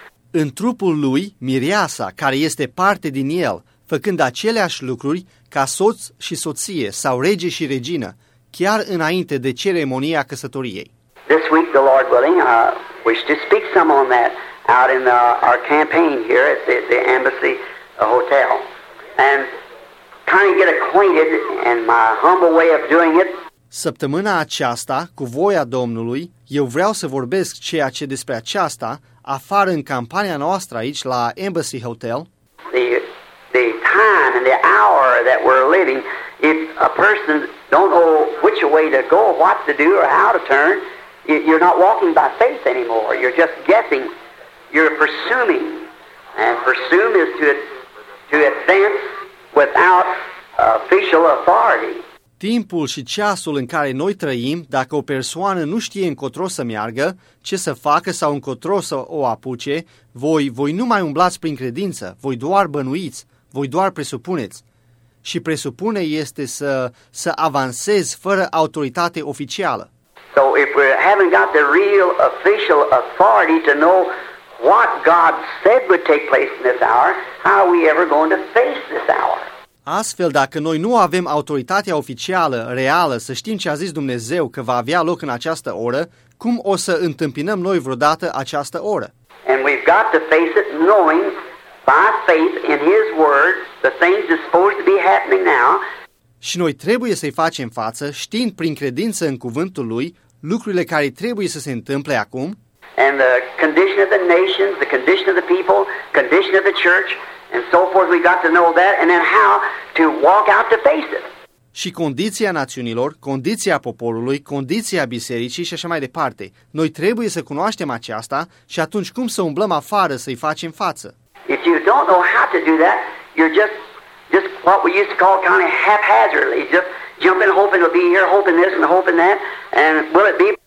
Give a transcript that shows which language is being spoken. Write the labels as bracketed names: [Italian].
[Romanian] În trupul lui, mireasa, care este parte din el, făcând aceleași lucruri ca soț și soție sau rege și regină, chiar înainte de ceremonia căsătoriei. [English] This week, the Lord willing, I wish to speak some on that out in our campaign here at the Embassy Hotel. And kind of get acquainted in my humble way of doing it. [Romanian] Săptămâna aceasta, cu voia Domnului, eu vreau să vorbesc ceea ce despre aceasta, afară în campania noastră aici la Embassy Hotel. [English] The time and the hour that we're living, if a person don't know which way to go, what to do, or how to turn, you're not walking by faith anymore. You're just guessing. You're presuming. And presume is to advance without official authority. [Romanian] Timpul și ceasul în care noi trăim, dacă o persoană nu știe încotro să meargă, ce să facă sau încotro să o apuce, voi nu mai umblați prin credință, voi doar bănuiți, voi doar presupuneți. Și presupune este să avansezi fără autoritate oficială. [English] So if we haven't got the real official authority to know what God said would take place in this hour, how are we ever going to face this hour? [Romanian] Astfel, dacă noi nu avem autoritatea oficială, reală, să știm ce a zis Dumnezeu că va avea loc în această oră, cum o să întâmpinăm noi vreodată această oră? [English] And we've got to face it knowing by faith in his word the things are supposed to be happening now. [Romanian] Și noi trebuie să-i facem față, știind prin credință în cuvântul lui, lucrurile care trebuie să se întâmple acum. [English] And the condition of the nations, the condition of the people, condition of the church, and so forth, we got to know that, and then how to walk out to face it. [Romanian] Și condiția națiunilor, condiția poporului, condiția bisericii și așa mai departe. Noi trebuie să cunoaștem aceasta și atunci cum să umblăm afară să-i facem față. [English] If you don't know how to do that, you're just what we used to call kind of haphazardly, just jumping, hoping it'll be here, hoping this and hoping that, and will it be?